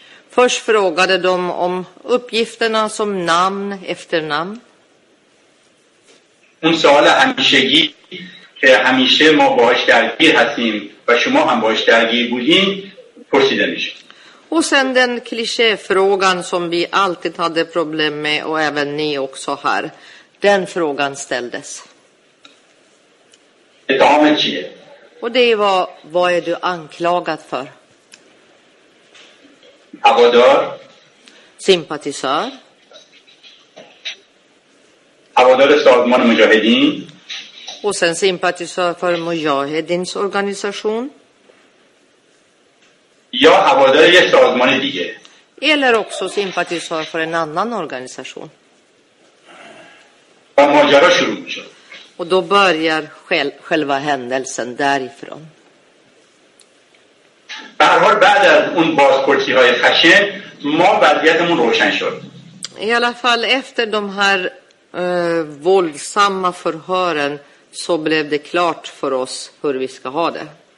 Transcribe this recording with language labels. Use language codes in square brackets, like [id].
[sv] Först frågade de om uppgifterna som namn efter namn. [fa] اون سوال همیشگی که همیشه ما باهاش درگیر هستیم و شما هم باهاش درگیر بودین پرسیده میشه. [sv] و sen den klischéfrågan som vi alltid hade problem med och även ni också här. Den frågan ställdes. [fa] اتهامت چیه؟ [sv] Och det var vad är du anklagad för? [fa] هوادار [sv] sympatisör [fa] هوادار سازمان مجاهدین [sv] و sen sympatisör för mujahedins organisation [fa] یا هوادار یه سازمان دیگه [sv] eller också sympatisör för en annan organisation [fa] و ماجرا شروع میشه [sv] och då börjar själva händelsen därifrån [fa] برحال بعد از اون بازپرسی های خشن ما وضعیتمون روشن شد [sv] i alla fall efter de här våldsamma förhören så blev det klart för oss hur vi ska ha det.